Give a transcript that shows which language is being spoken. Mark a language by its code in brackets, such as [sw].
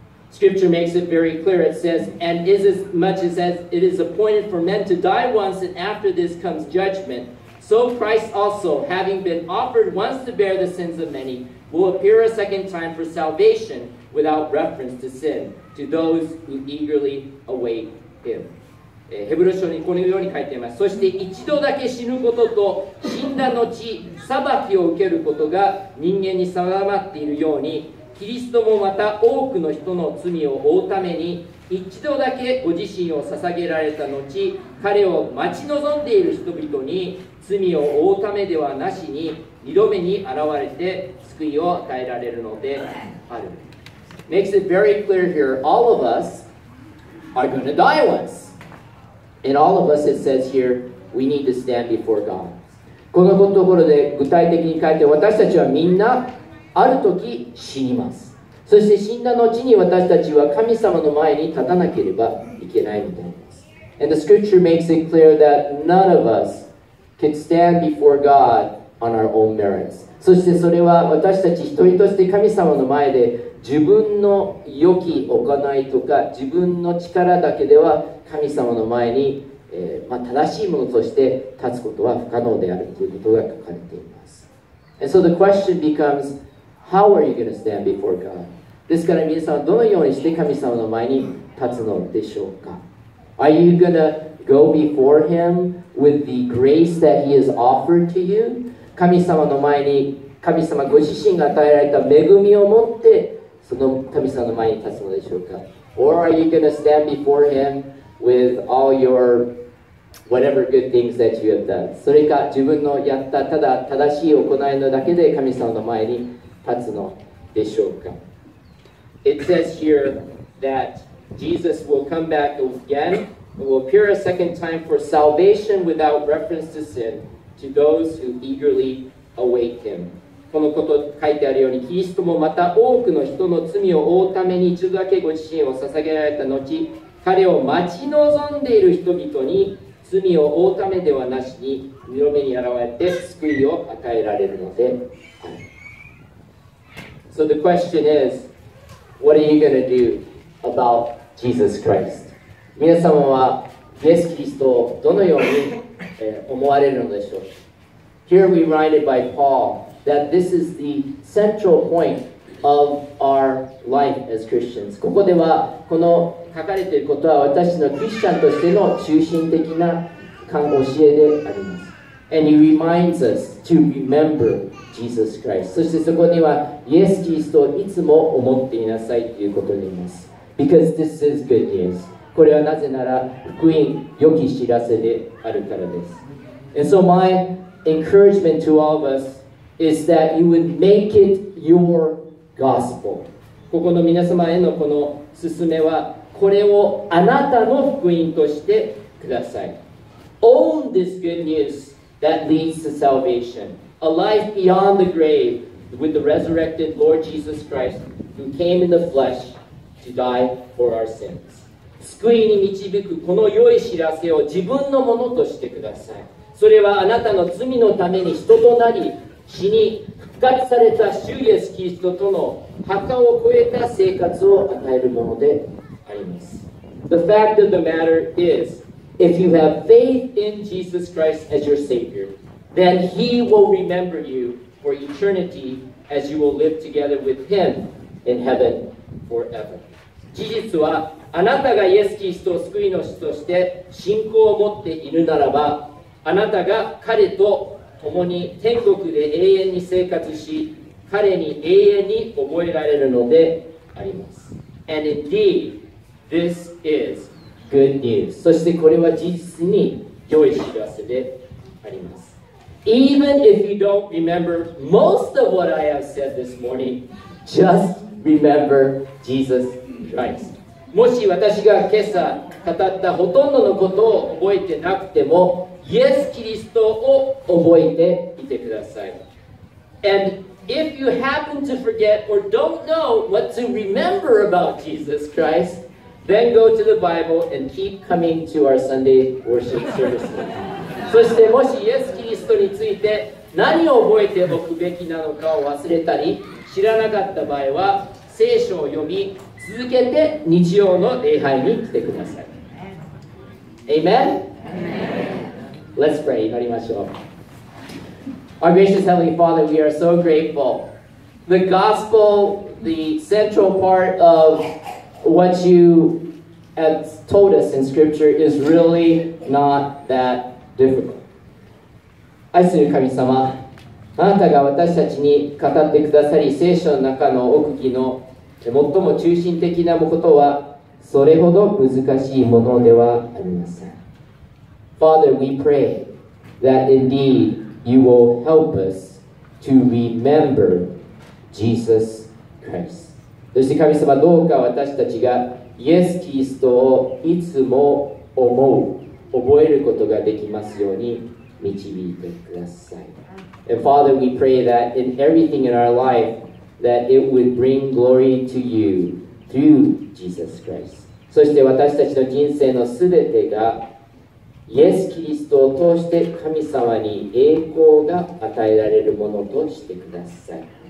[en] Scripture makes it very clear. It says, and is as much as it is appointed for men to die once, and after this comes judgment. So Christ also, having been offered once to bear the sins of many, will appear a second time for salvation without reference to sin to those who eagerly await him. [ja] ヘブル書にこのように書いています。そして一度だけ死ぬことと死んだ後裁きを受けることが人間に定まっているように、キリストもまた多くの人の罪を負うために一度だけご自身を捧げられた後、彼を待ち望んでいる人々に罪を負うためではなしに二度目に現れて救いを与えられるのである。 [en] Makes it very clear here, all of us are going to die once. And all of us, it says here, we need to stand before God. [ja] このところで具体的に書いて、私たちはみんなある時死にます。そして死んだ後に私たちは神様の前に立たなければいけないみたいです。 [en] And the scripture makes it clear that none of us can stand before God on our own merits. [ja] そしてそれは私たち一人として神様の前で自分の良き行いとか自分の力だけでは神様の前に、正しいものとして立つことは不可能であるということが書かれています。 [en] And so the question becomesHow are you going to stand before God? [ja] ですから皆さんはどのようにして神様の前に立つのでしょうか? [en] Are you going to go before Him with the grace that He has offered to you? [ja] 神様の前に、神様ご自身が与えられた恵みを持ってその神様の前に立つのでしょうか? [en] Or are you going to stand before Him with all your whatever good things that you have done? [ja] それか自分のやったただ正しい行いのだけで神様の前に立つのでしょうか? [en] It says here that Jesus will come back again and will appear a second time for salvation without reference to sin to those who eagerly await him. [ja] このこと書いてあるように、キリストもまた多くの人の罪を負うために一度だけご自身を捧げられた後、彼を待ち望んでいる人々に罪を負うためではなしに二度目に現れて救いを与えられるのである。 [en] So the question is, what are you going to do about Jesus Christ? [ja] 皆様はイエス・キリストをどのように思われるのでしょう? [en] Here we write it by Paul that this is the central point of our life as Christians. [ja] ここではこの書かれていることは私のクリスチャンとしての中心的な教えであります。 [en] And he reminds us to remember Jesus Christ. [ja] そしてそこにはイエス・キリストをいつも思っていなさいということになります。 [en] Because this is good news. [ja] これはなぜなら福音、良き知らせであるからです。 [en] And so my encouragement to all of us is that you would make it your gospel. [ja] ここの皆様へのこの勧めは、これをあなたの福音としてください。 [en] Own this good news that leads to salvation. A life beyond the grave with the resurrected Lord Jesus Christ who came in the flesh to die for our sins. [ja] 救いに導くこの良い知らせを自分のものとしてください。それはあなたの罪のために人となり、死に復活された主イエスキリストとの墓を越えた生活を与えるものであります。 [en] The fact of the matter is,If you have faith in Jesus Christ as your Savior, then He will remember you for eternity as you will live together with Him in heaven forever. [ja] 事実は、あなたがイエス・キリストを救い主として信仰を持っているならば、あなたが彼と共に天国で永遠に生活し、彼に永遠に覚えられるのであります。 [en] And indeed, this is. Good news. [ja] そしてこれは実質に良い知らせであります。 [en] Even if you don't remember most of what I have said this morning, just remember Jesus Christ. [ja] もし私が今朝語ったほとんどのことを覚えてなくても、イエス・キリストを覚えていてください。 [en] And if you happen to forget or don't know what to remember about Jesus Christ,Then go to the Bible and keep coming to our Sunday worship services. [ja] そしてもしイエス・キリストについて何を覚えておくべきなのかを忘れたり知らなかった場合は聖書を読み続けて日曜の礼拝に来てください。 [en] Amen? Amen. Let's pray. [ja] 祈りましょう。 [en] Our gracious Heavenly Father, we are so grateful. The gospel, the central part of... What you have told us in Scripture is really not that difficult. [ja] 愛する神様、あなたが私たちに語ってくださり、聖書の中の奥義の最も中心的なことは、それほど難しいものではありません。 [en] Father, we pray that indeed you will help us to remember Jesus Christ. [ja] そして神様どうか私たちがイエス・キリストをいつも思う覚えることができますように導いてください [en] And Father we pray that in everything in our life that it would bring glory to you through Jesus Christ [ja] そして私たちの人生のすべてがイエス・キリストを通して神様に栄光が与えられるものとしてください